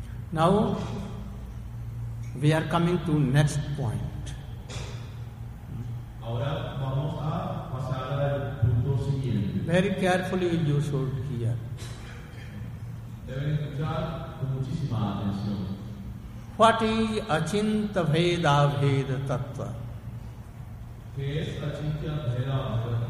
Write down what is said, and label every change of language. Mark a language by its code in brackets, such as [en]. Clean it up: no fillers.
[en] Now we are coming to next point. [es] Ahora vamos a pasar al punto siguiente. [en] Very carefully you should hear. [es] Deben escuchar con muchísima atención. [en] What is achintya bheda bheda tattva? [es] ¿Qué es achintya bheda bheda